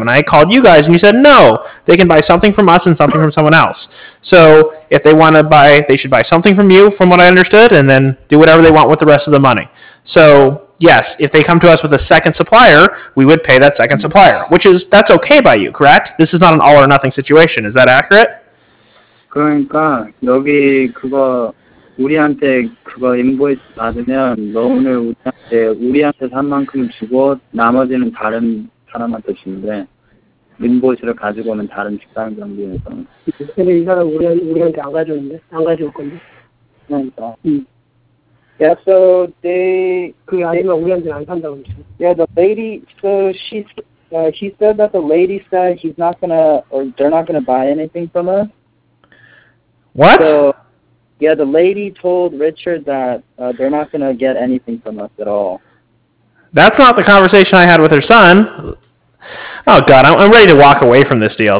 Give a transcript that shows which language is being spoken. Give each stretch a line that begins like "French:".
English: And I called you guys and you said, no, they can buy something from us and something from someone else. So if they want to buy, they should buy something from you, from what I understood, and then do whatever they want with the rest of the money. So yes, if they come to us with a second supplier, we would pay that second supplier, which is, that's okay by you, correct? This is not an all or nothing situation. Is that accurate?
Korean: 그러니까 여기 그거 우리한테 그거 인보이스 받으면 너는 우리한테 산 만큼 주고 나머지는 다른 사람한테 주는데 인보이스를 가지고 오면 다른 식당 경비에서 근데 이 사람 우리한테 안 가져오는데? 안 가져올 건데? 그러니까
English: Yeah, so they
Korean: 그게 아니면 우리한테 안 산다고
English: Yeah, the lady So he said that the lady said he's not gonna or they're not gonna buy anything from us What? So, Yeah, the lady told Richard that they're not going to get anything from us at all. That's not the conversation I had with her son. Oh, God, I'm ready to walk away from this deal.